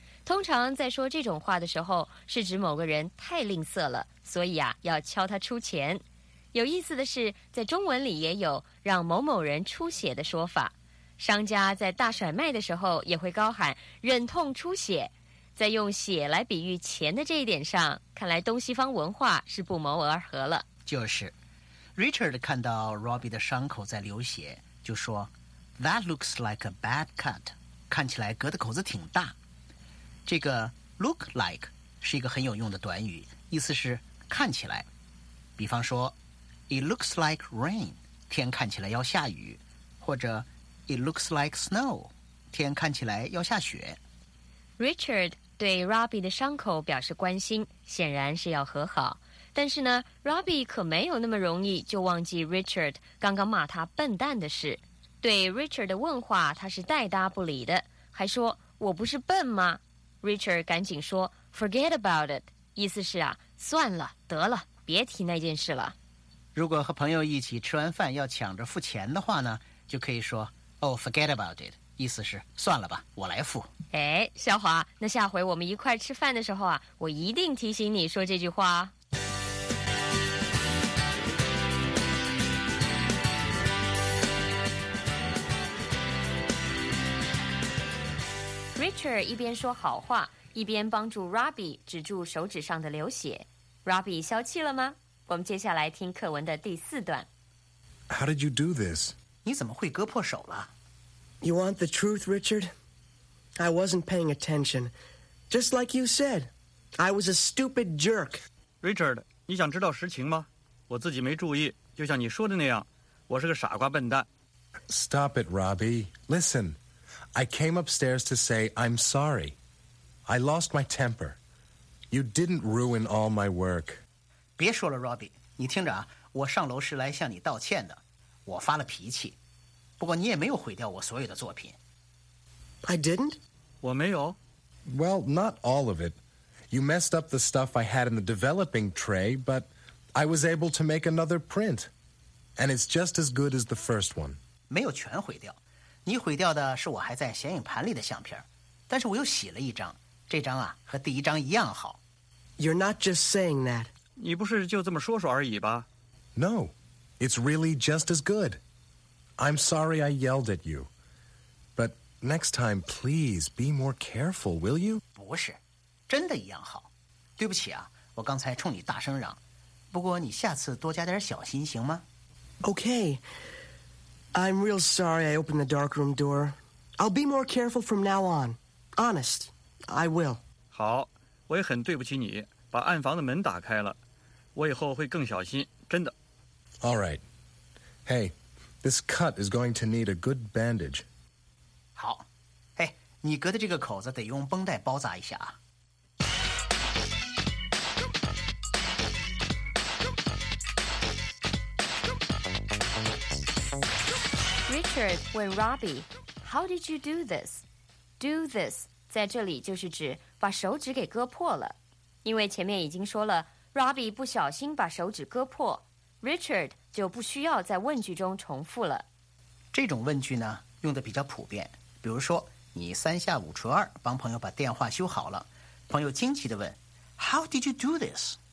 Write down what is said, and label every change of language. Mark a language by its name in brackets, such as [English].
[Chinese] 通常在说这种话的时候，是指某个人太吝啬了，所以啊，要敲他出钱。有意思的是，在中文里也有让某某人出血的说法。商家在大甩卖的时候也会高喊“忍痛出血”。在用血来比喻钱的这一点上，看来东西方文化是不谋而合了。就是 ，Richard 看到 Robbie 的伤口在流血，就说 ： [English] “That looks like a bad cut。” [Chinese] 看起来割的口子挺大。这个 “look like” 是一个很有用的短语，意思是看起来。比方说。 [English] It looks like rain， [Chinese] 天看起来要下雨，或者 [English] It looks like snow， [Chinese] 天看起来要下雪。 Richard 对 Robbie 的伤口表示关心，显然是要和好。但是呢 ，Robbie 可没有那么容易就忘记 Richard 刚刚骂他笨蛋的事。对 Richard 的问话，他是带搭不理的，还说我不是笨吗 ？Richard 赶紧说 [English] Forget about it， [Chinese] 意思是啊，算了，得了，别提那件事了。如果和朋友一起吃完饭要抢着付钱的话呢，就可以说 [English] Oh, forget about it， [Chinese] 意思是算了吧，我来付。哎，小华，那下回我们一块吃饭的时候啊，我一定提醒你说这句话。 Richard 一边说好话，一边帮助 Robbie 止住手指上的流血。 Robbie 消气了吗？我们接下来听课文的第四段。 [English] How did you do this? [Chinese] 你怎么会割破手了？ [English] You want the truth, Richard? I wasn't paying attention. Just like you said, I was a stupid jerk. [Chinese] Richard, 你想知道实情吗？我自己没注意，就像你说的那样，我是个傻瓜笨蛋。 [English] Stop it, Robbie. Listen, I came upstairs to say I'm sorry. I lost my temper. You didn't ruin all my work. [Chinese] 别说了 Robbie， 你听着啊，我上楼是来向你道歉的，我发了脾气，不过你也没有毁掉我所有的作品。 [English] I didn't？ [Chinese] 我没有。 [English] Well, not all of it. You messed up the stuff I had in the developing tray, but I was able to make another print, and it's just as good as the first one. [Chinese] 没有全毁掉，你毁掉的是我还在显影盘里的相片，但是我又洗了一张，这张啊和第一张一样好。 You're not just saying that. 你不是就这么说说而已吧 [English] ？No, it's really just as good. I'm sorry I yelled at you, but next time please be more careful, will you? [Chinese] 不是，真的一样好。对不起啊，我刚才冲你大声嚷。不过你下次多加点小心行吗 [English] ？Okay, I'm real sorry I opened the darkroom door. I'll be more careful from now on. Honest, I will. [Chinese] 好，我也很对不起你。把暗房的门打开了，我以后会更小心，真的。 [English] All right. Hey, this cut is going to need a good bandage. [Chinese] 好，哎，你割的这个口子得用绷带包扎一下啊。 [English] Richard [Chinese] 问 [English] Robbie, "How did you do this? [Chinese] Do this 在这里就是指把手指给割破了。" 因为前面已经说了 Robbie 不小心把手指割破 Richard 就不需要在问句中重复了这种问句呢用得比较普遍比如说你三下五除二帮朋友把电话修好了朋友惊奇地问 [English] How did you do this?